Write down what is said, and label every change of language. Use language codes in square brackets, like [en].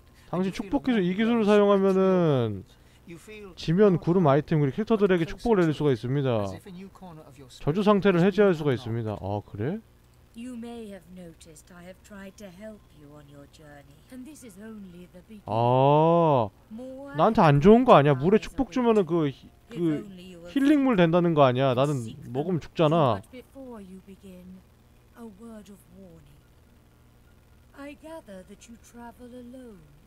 [ko] 당신 축복기술, 이 기술을 사용하면은 지면 구름 아이템 그리고 캐릭터들에게 축복을 내릴 수가 있습니다. 저주 상태를 해제할 수가 있습니다. 아, 그래? [en] You may have noticed I have tried to help you on your journey. And this is only the beginning. [ko] 아, 나한테 안 좋은 거 아니야? 물에 축복 주면은 그 힐링 물 된다는 거 아니야? 나는 먹으면 죽잖아. [en] Before you begin, a word of warning. I gather that you travel alone.